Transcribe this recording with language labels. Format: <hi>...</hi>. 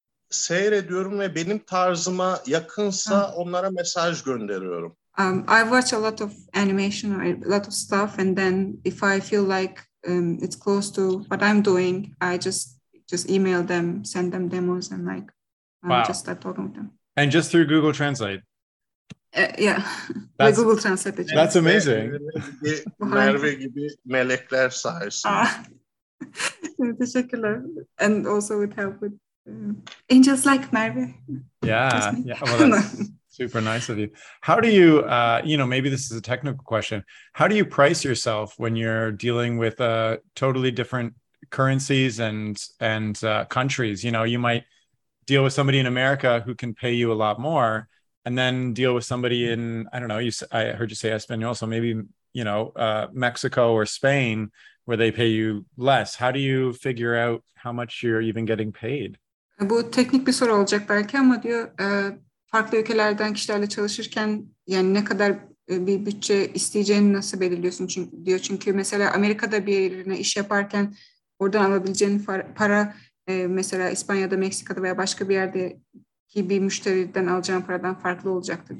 <tr>Seyrediyorum ve benim tarzıma yakınsa onlara mesaj gönderiyorum.</tr> <en>I watch a lot of animation, a lot of stuff, and then if I feel like it's close to what I'm doing, I just email them, send them demos, and like just start talking with them. And just through Google Translate. Yeah, Google Translate. That's amazing.</en> <tr>Merve gibi melekler sayesinde. Teşekkürler.</tr> <en>And also with help with angels like Merve. Yeah. Well, that's super nice of you. How do you, maybe this is a technical question. How do you price yourself when you're dealing with totally different currencies and countries? You know, you might deal with somebody in America who can pay you a lot more, and then deal with somebody in, I don't know, I heard you say Espanol, so maybe, you know, Mexico or Spain, where they pay you less. How do you figure out how much you're even getting paid?</en> <tr>Bu teknik bir soru olacak belki ama diyor, farklı ülkelerden kişilerle çalışırken, yani ne kadar bir bütçe isteyeceğini nasıl belirliyorsun? Çünkü mesela Amerika'da bir yerine iş yaparken, oradan alabileceğin para, mesela İspanya'da, Meksika'da veya başka bir yerde ki bir müşteriden alacağın paradan farklı olacaktır.</tr>